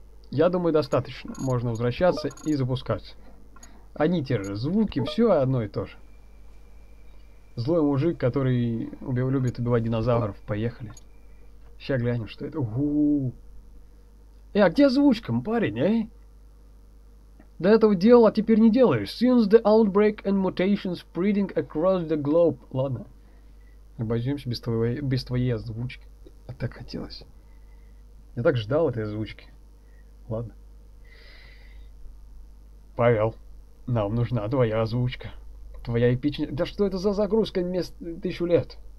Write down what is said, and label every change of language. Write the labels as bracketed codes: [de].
[ru] Я думаю, достаточно. Можно возвращаться и запускать. Одни те же звуки, все одно и то же. Злой мужик, который любит убивать динозавров. Поехали. Сейчас глянем, что это. Угу. Э, а где озвучка, парень, эй? До этого делал, а теперь не делаешь. [en] Since the outbreak and mutations spreading across the globe. [ru] Ладно. Обойдемся без твоей озвучки. А так хотелось. Я так ждал этой озвучки. Ладно. Павел, нам нужна твоя озвучка. Твоя эпичная. Да что это за загрузка мест тысячу лет?